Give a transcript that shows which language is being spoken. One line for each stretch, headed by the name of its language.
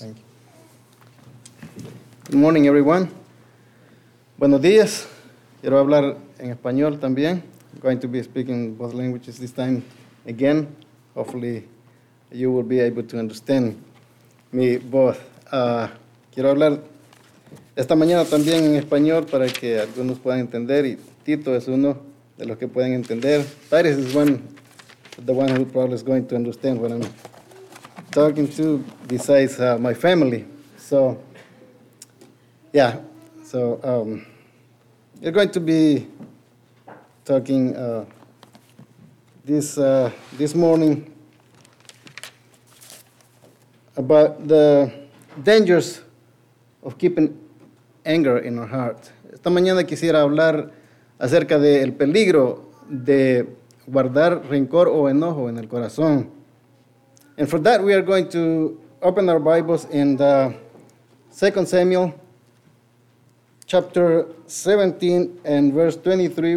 English: Thank you. Good morning, everyone.
Spanish: Buenos días. Quiero hablar en español también.
English: I'm going to be speaking both languages this time again. Hopefully, you will be able to understand me both.
Spanish: Quiero hablar esta mañana también en español para que algunos puedan entender, y Tito es uno de los que pueden entender.
English: Titus is the one who probably is going to understand what I'm talking to besides my family. So, yeah. So, you're going to be talking this morning about the dangers of keeping anger in our heart.
Spanish: Esta mañana quisiera hablar acerca del peligro de guardar rencor o enojo en el corazón.
English: And for that, we are going to open our Bibles in the 2 Samuel chapter 17 and verse 23.